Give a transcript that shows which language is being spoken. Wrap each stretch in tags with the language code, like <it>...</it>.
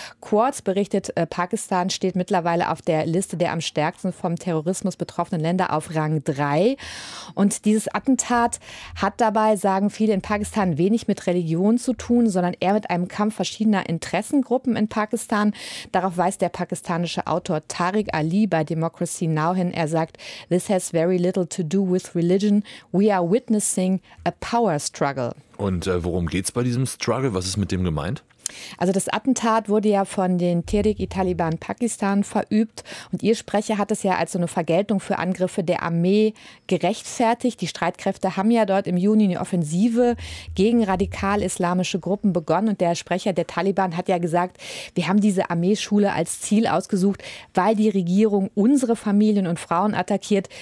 <de>Quartz berichtet, Pakistan steht mittlerweile auf der Liste der am stärksten vom Terrorismus betroffenen Länder auf Rang 3. Und dieses Attentat hat dabei, sagen viele in Pakistan, wenig mit Religion zu tun, sondern eher mit einem Kampf verschiedener Interessengruppen in Pakistan. Darauf weist der pakistanische Autor Tariq Ali bei Democracy Now hin. Er sagt:</de> <en>This has very little to do with religion. We are witnessing a power struggle.</en> <de>Und worum geht's bei diesem Struggle? Was ist mit dem gemeint? Also das Attentat wurde ja von den Tehrik-i-Taliban Pakistan verübt und ihr Sprecher hat es ja als so eine Vergeltung für Angriffe der Armee gerechtfertigt. Die Streitkräfte haben ja dort im Juni eine Offensive gegen radikal-islamische Gruppen begonnen und der Sprecher der Taliban hat ja gesagt: Wir haben diese Armeeschule als Ziel ausgesucht, weil die Regierung unsere Familien und Frauen attackiert.</de>